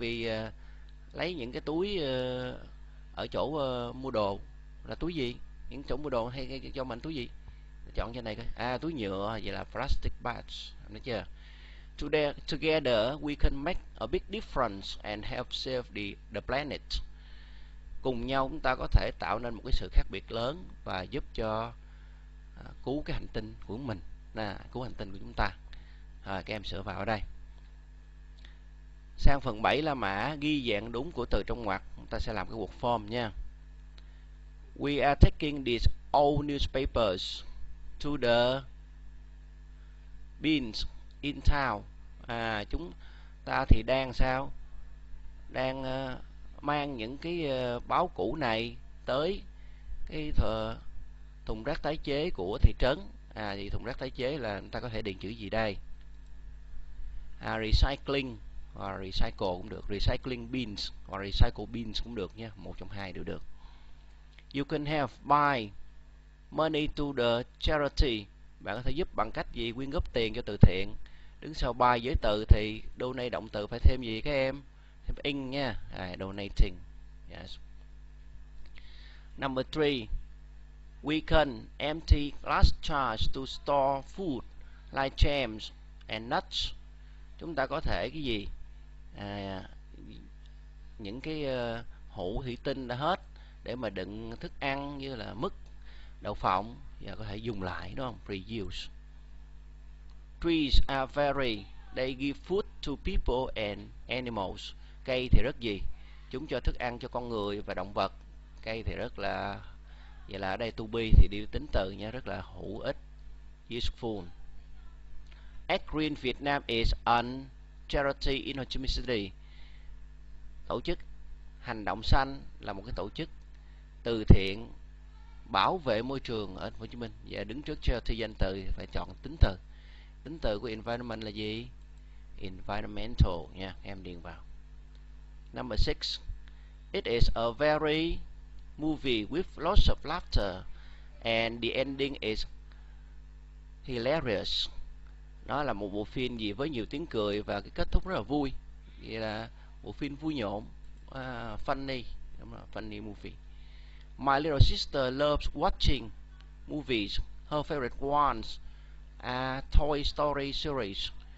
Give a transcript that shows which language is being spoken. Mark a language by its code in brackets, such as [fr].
[vi] Thay vì lấy những cái túi ở chỗ mua đồ. Là túi gì? Những chỗ mua đồ hay cho mình túi gì? Chọn cho này coi. À, túi nhựa, vậy là plastic bags. Nói chưa? [en] Together we can make a big difference and help save the planet. [vi] Cùng nhau chúng ta có thể tạo nên một cái sự khác biệt lớn và giúp cho cứu cái hành tinh của mình. Nè, cứu hành tinh của chúng ta. Rồi, các em sửa vào ở đây. Sang phần 7 là mã ghi dạng đúng của từ trong ngoặc. Chúng ta sẽ làm cái word form nha. [en] We are taking these old newspapers to the bins in town. [vi] À, chúng ta thì đang sao? Đang mang những cái báo cũ này tới cái thùng rác tái chế của thị trấn. À, thì thùng rác tái chế là chúng ta có thể điền chữ gì đây? À, recycling hoặc recycle cũng được. Recycling bins hoặc recycle bins cũng được nha. Một trong hai đều được. [en] You can help by money to the charity. [vi] Bạn có thể giúp bằng cách gì? Quyên góp tiền cho từ thiện. Đứng sau by giới từ thì donate động từ phải thêm gì các em? Thêm in nha. À, [en] donating. Yes. Number 3. We can empty glass jars to store food like jams and nuts. [vi] Chúng ta có thể cái gì? À, những cái hũ thủy tinh đã hết để mà đựng thức ăn như là mứt, đậu phộng và có thể dùng lại, đúng không? [en] Reuse. Trees are very, they give food to people and animals. [vi] Cây thì rất gì? Chúng cho thức ăn cho con người và động vật. Cây thì rất là, vậy là ở đây to be thì đi tính từ nha, rất là hữu ích, useful. [en] Ad Green Vietnam is a charity in Ho Chi Minh City. [vi] Tổ chức Hành Động Xanh là một cái tổ chức từ thiện bảo vệ môi trường ở Hồ Chí Minh. Và đứng trước charity danh từ phải chọn tính từ. Tính từ của environment là gì? Environmental nha, em điền vào. [en] Number 6. It is a very movie with lots of laughter and the ending is hilarious. [vi] Nó là một bộ phim gì với nhiều tiếng cười và cái kết thúc rất là vui. Vậy là bộ phim vui nhộn, funny, đúng không? [en] Funny movie. My little sister loves watching movies. Her favorite ones are Toy Story series.